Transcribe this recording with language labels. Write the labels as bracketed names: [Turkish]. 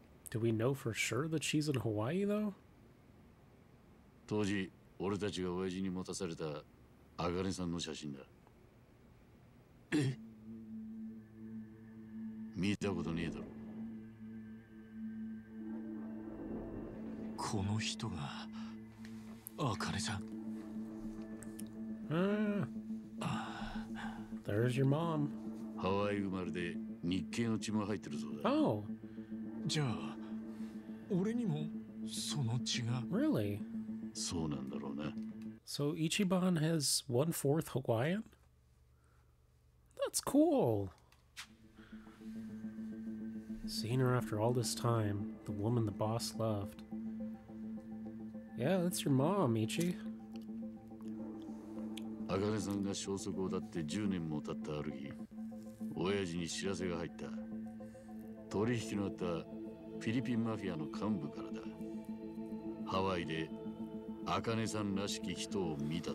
[English] Do we know for sure that she's in Hawaii, though? [Japanese] 当時、俺たちが親父に持たされた茜さんの写真だ。見たことねえだろ。この人が茜さん。 [English] There's your mom. [Japanese] ハワイ生まれで日系の血も入ってるぞ。 [English] Oh! [Japanese] じゃあ俺にもその血が。 [English] Really? [Japanese] そうなんだろうな。 [English] So Ichiban has 1/4 Hawaiian? That's cool! Seeing her after all this time, the woman the boss loved. Yeah, that's your mom, Ichi. [Japanese] 茜さんが消息を絶って10年も経ったある日、親父に知らせが入った。取引のあったフィリピンマフィアの幹部からだ。ハワイで茜さんらしき人を見たと。